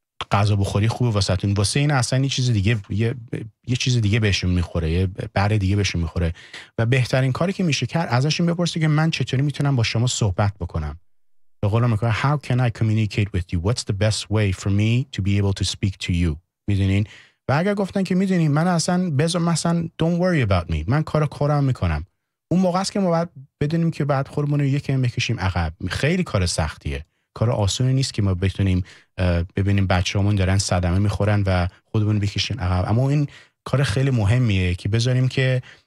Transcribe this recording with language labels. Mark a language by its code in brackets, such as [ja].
[fa] غذا بخوری خوبه واسهتون واسه این اصلا یه چیز دیگه بهشون میخوره یه بره دیگه بهشون میخوره و بهترین کاری که میشه کرد ازشون بپرسی که من چطوری میتونم با شما صحبت بکنم به قول آمریکا [en] How can I communicate with you? What's the best way for me to be able to speak to you? [fa] میدونین؟ و اگر گفتن که میدونین من اصلا بذارم مثلا [en] Don't worry about me. [fa] من کار خودم میکنم. اون موقع است که ما باید بدونیم که بعد خودمون رو یکی میکشیم عقب. خیلی کار سختیه. کار آسونی نیست که ما بتونیم ببینیم بچه همون دارن صدمه میخورن و خودمون بکشیم عقب. اما این کار خیلی مهمیه که بذاریم که